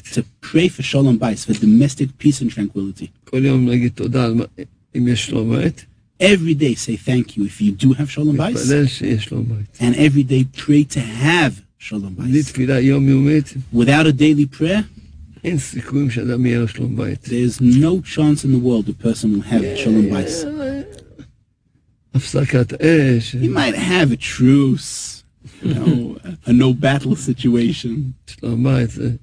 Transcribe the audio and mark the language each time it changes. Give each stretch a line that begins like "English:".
English: To pray for shalom bayis, for domestic peace and tranquility.
Hebrew: כל יום להגיד תודה אם יש שלום בית.
English: Every day say thank you if you do have shalom bayis.
Hebrew: מתפלל שיש שלום בית.
English: And every day pray to have shalom bayis.
Hebrew: בלי תפילה יומיומית.
English: Without a daily prayer.
Hebrew: אין סיכויים שאדם יהיה לו שלום בית.
English: There's no chance in the world a person will have shalom bayis.
Hebrew: הפסקת אש.
English: He might have a truce, a no battle situation.
Hebrew: שלום בית זה.